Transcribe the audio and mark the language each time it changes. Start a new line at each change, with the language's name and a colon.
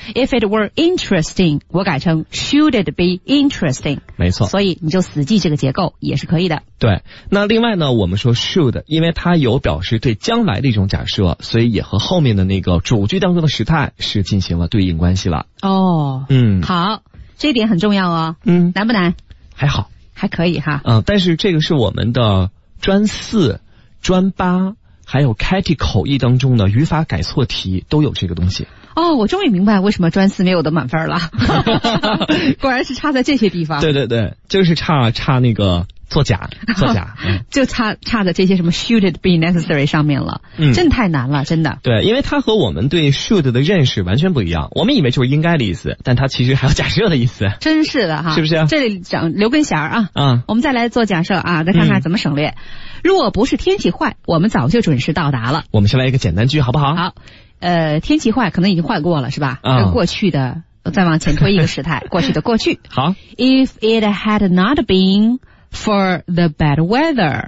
English: If it were interesting，
Chinese: 我改成
English: should it be interesting。
Chinese: 没错。所以你就死记这个结构也是可以的。对。那另外呢，我们说 should， 因为它有表示对将来的一种假设，所以也和后面的那个主句当中的时态是进行了对应关系了。哦。嗯。好，这点很重要哦。嗯。难不难？还好。还可以哈。嗯，但是这个是我们的专四、专八，还有 Katie 口译当中的语法改错题都有这个东西。哦，我终于明白为什么专四没有得满分了。果然是差在这些地方。对对对，就是差那个作假。就差在这些什么
English: should it be necessary
Chinese: 上面了。嗯，真太难了，真的。对，因为它和我们对 should 的认识完全不一样，我们以为就是应该的意思，但它其实还有假设的意思。真是的哈。是不是、啊、这里讲留根弦啊。嗯，我们再来做假设啊，再看看怎么省略。嗯，若不是天气坏，我们早就准时到达了。我们先来一个简单句好不好？好。天气坏可能已经坏过了是吧。嗯，过去的再往前推一个时态。过去的过去。好。
English: If it had not beenfor the bad weather，